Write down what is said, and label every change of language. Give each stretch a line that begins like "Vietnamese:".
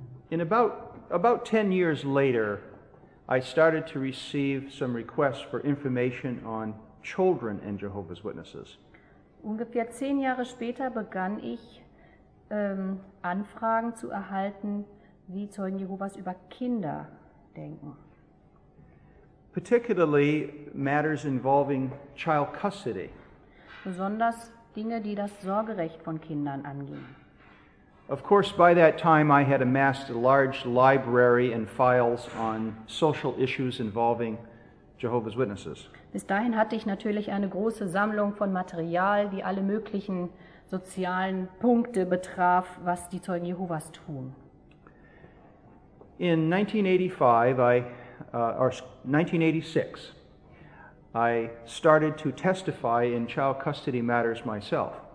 English: In about 10 years later, I started to receive some requests for information on children and Jehovah's Witnesses.
German: Ungefähr 10 Jahre später begann ich Anfragen zu erhalten, wie Zeugen Jehovas über Kinder denken.
English: Particularly matters involving child custody.
German: Besonders Dinge, die das Sorgerecht von Kindern angehen.
English: Of course, by that time I had amassed a large library and files on social issues involving Jehovah's Witnesses.
German: Bis dahin hatte ich natürlich eine große Sammlung von Material, die alle möglichen sozialen Punkte betraf, was die Zeugen Jehovas tun.
English: In 1986, I started to testify in child custody matters myself.